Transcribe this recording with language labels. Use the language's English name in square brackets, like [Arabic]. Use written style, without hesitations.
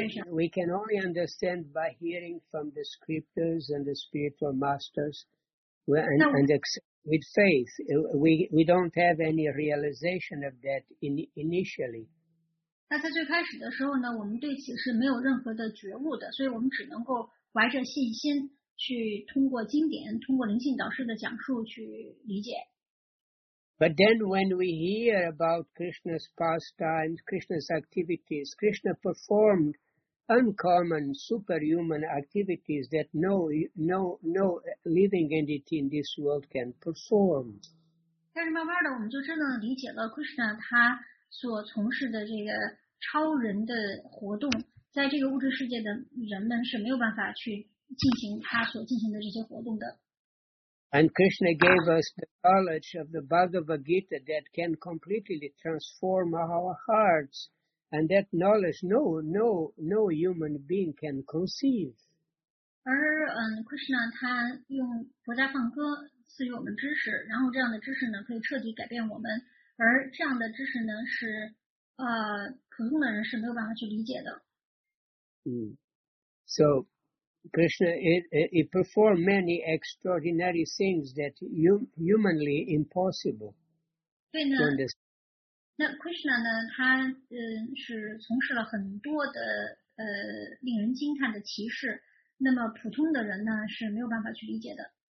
[English] We can only understand by hearing from the scriptures and the spiritual masters and accept. With faith, we don't have any realization of that initially. [Chinese] 那在最开始的时候呢，我们对此是没有任何的觉悟的，所以我们只能够怀着信心，去通过经典，通过灵性导师的讲述去理解。 [English] But then when we hear about Krishna's pastimes, Krishna's activities, Krishna performed uncommon superhuman activities that no living entity in this world can perform. [Chinese] 但是慢慢的我们就真正理解了 Krishna 他所从事的这个超人的活动，在这个物质世界的人们是没有办法去进行他所进行的这些活动的。 [English] And Krishna gave us the knowledge of the Bhagavad Gita that can completely transform our hearts, and that knowledge no human being can conceive. [Chinese] 而Krishna 他用佛家梵歌赐予我们知识，然后这样的知识呢可以彻底改变我们，而这样的知识呢是普通的人是没有办法去理解的。 [English] So Krishna he performed many extraordinary things that humanly impossible. [Chinese] 对呢。那 Krishna 呢他是从事了很多的令人惊叹的奇事，那么普通的人呢是没有办法去理解的。